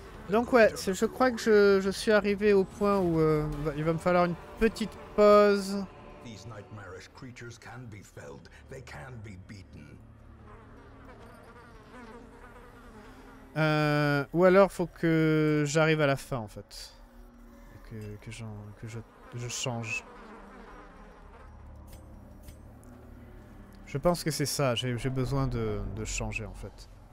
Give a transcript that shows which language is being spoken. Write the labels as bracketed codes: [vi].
[fr] Donc ouais, c'est, je crois que je suis arrivé au point où il va me falloir une petite pause. [en] These nightmarish creatures can be felled, they can be beaten. [fr] Ou alors faut que j'arrive à la fin en fait. Que je change. Je pense que c'est ça, j'ai besoin de changer en fait.